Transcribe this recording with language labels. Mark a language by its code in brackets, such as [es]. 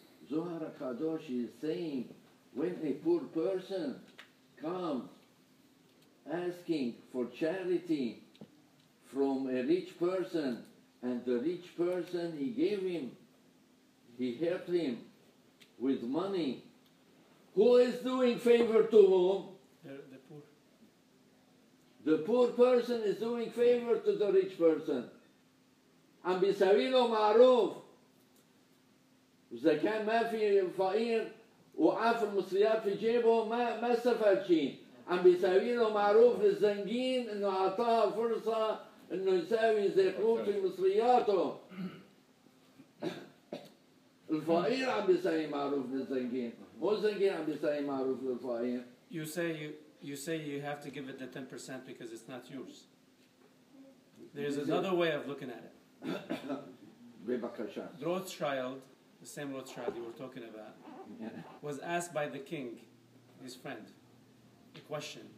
[en] Zohar HaKadosh is saying when a poor person comes asking for charity from a rich person and the rich person he helped him with money, who is doing favor to whom? The poor person is doing favor to the rich person. [ar] عم بيساوي له معروف. إذا كان ما في فقير وعاف المصريات في جيبه ما استفاد شيء. عم بيساوي له معروف للزنجين إنه أعطاه فرصة إنه يساوي زيقوت في مصرياته. الفقير عم بيساوي معروف للزنجين. مو الزنجين عم بيساوي معروف للفقير. [en] You say you have to give it the 10% because it's not yours. There's another way of looking at it. Rothschild, the same Rothschild you were talking about, was asked by the king, his friend, a question.